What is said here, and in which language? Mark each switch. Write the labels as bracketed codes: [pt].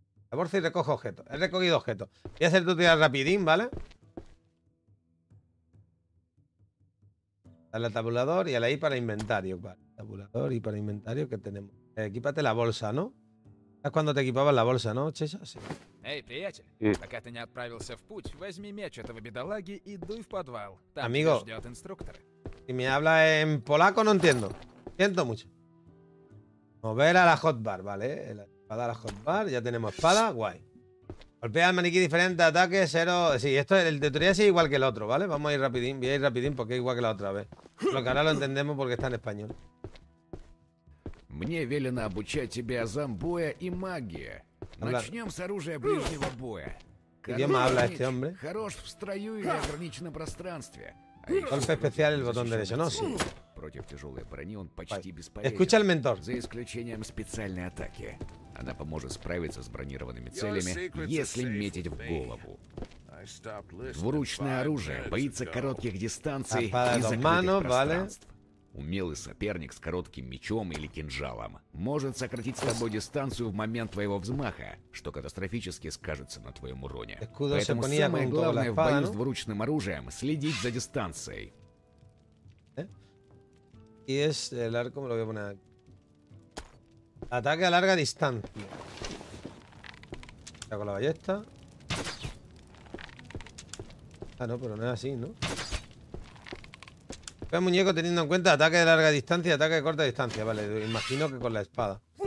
[es] La bolsa y recojo objetos. He recogido objetos. Voy a hacer tu tirada rapidín, ¿vale? Dale al tabulador y a la I para inventario. Vale. Tabulador y para inventario que tenemos. Equípate la bolsa, ¿no? ¿Sabes cuando te equipabas la bolsa, no, Chesa? Sí. [ru] Эй, приятель, пока ты не отправился в путь, возьми меч этого бедолаги и дуй в подвал. Там [es] Amigo, [ru] тебя ждет инструктор. [es] Si me habla en polaco, no entiendo. Siento mucho. Mover a la hotbar, vale. La espada a la hotbar, ya tenemos espada, guay. Golpea al maniquí diferente, ataque, cero. Sí, esto el de teoría sí es igual que el otro, ¿vale? Vamos a ir rapidín, voy a ir rapidín porque es igual que la otra vez. Lo que ahora lo entendemos porque está en español. [ru] Мне велено обучать тебя зомбоя и магии. Начнем с оружия ближнего боя. Идем [es] habla este hombre. [ru] Хорош в строю и ограниченном пространстве. [es] Golpe especial el botón derecho, ¿no? Sí. [ru] Против тяжелой брони он почти бесполезен. [es] Escucha al mentor. [ru] За исключением специальной атаки. Она поможет справиться с бронированными целями, если метить в голову. Вручное оружие боится коротких дистанций и закрытых пространств. Умелый соперник с коротким мечом или кинжалом может сократить с тобой дистанцию в момент твоего взмаха, что катастрофически скажется на твоем уроне. Поэтому самое главное в бою с двуручным оружием – следить за дистанцией. И есть [es] el arco, me lo voy a poner aquí. Ataque a larga distancia. Ya con la ballesta. Ah, no, pero no es así, ¿no? Fue muñeco teniendo en cuenta ataque de larga distancia y ataque de corta distancia. Vale, imagino que con la espada.